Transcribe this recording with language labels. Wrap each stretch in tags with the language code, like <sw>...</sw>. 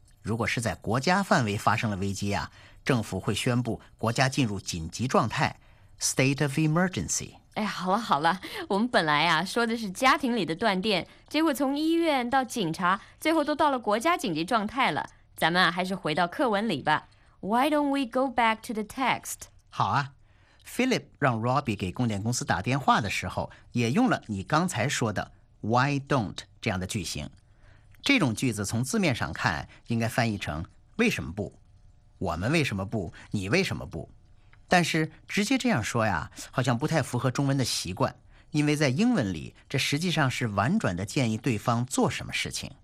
<zh>如果是在国家范围发生了危机啊，政府会宣布国家进入紧急状态，</zh> <en>state of emergency.</en> <zh>哎，好了好了，我们本来啊说的是家庭里的断电，结果从医院到警察，最后都到了国家紧急状态了。咱们啊还是回到课文里吧。</zh> <en>Why don't we go back to the text?</en> <zh>好啊。 Philip 让 Robbie 给供电公司打电话的时候，也用了你刚才说的 why don't 这样的句型。这种句子从字面上看，应该翻译成为什么不？我们为什么不？你为什么不？但是直接这样说呀，好像不太符合中文的习惯，因为在英文里，这实际上是婉转地建议对方做什么事情。</zh>